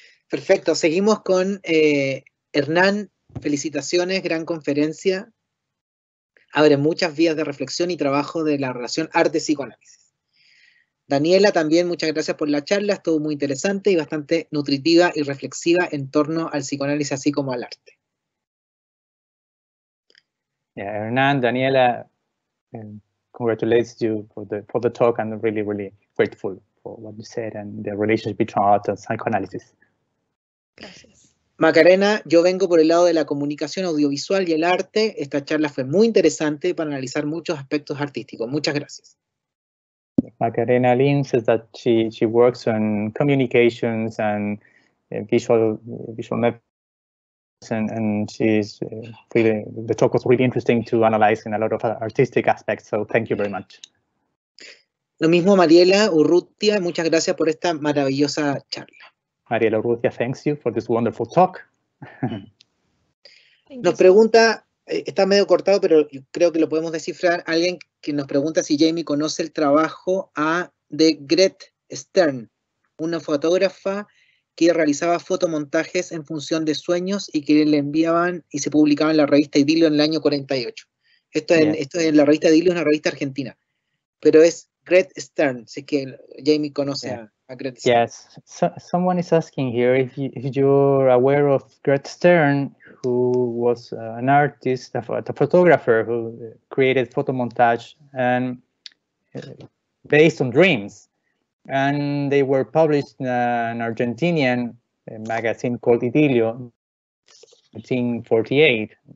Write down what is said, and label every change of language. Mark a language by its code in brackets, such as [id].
[es] Perfecto. Seguimos con Hernán. Felicitaciones, gran conferencia. Abre muchas vías de reflexión y trabajo de la relación arte-psicoanálisis. Daniela, también muchas gracias por la charla. Estuvo muy interesante y bastante nutritiva y reflexiva en torno al psicoanálisis así como al arte. [en] Yeah, Hernán, Daniela, congratulates you for the talk, and I'm really, really grateful for what you said and the relationship between art and psychoanalysis. [es] Gracias. Macarena, yo vengo por el lado de la comunicación audiovisual y el arte. Esta charla fue muy interesante para analizar muchos aspectos artísticos. Muchas gracias. [en] Macarena Lin says that she works on communications and visual methods, and she's really, the talk was really interesting to analyze in a lot of artistic aspects, so thank you very much. [es] Lo mismo Mariela Urrutia, muchas gracias por esta maravillosa charla. [en] Mariela Urrutia, thanks you for this wonderful talk. [es] Nos pregunta, está medio cortado, pero creo que lo podemos descifrar, alguien que nos pregunta si Jamie conoce el trabajo de Gret Stern, una fotógrafa que realizaba fotomontajes en función de sueños y que le enviaban y se publicaba en la revista Idilio en el año 48. Esto es en la revista Idilio, es una revista argentina, pero es Gret Stern, así que Jamie conoce a Gret Stern. [en] Yes, so, someone is asking here if you're aware of Gret Stern, who was an artist, a photographer who created photomontage and based on dreams. And they were published in an Argentinian magazine called Idilio, 1948.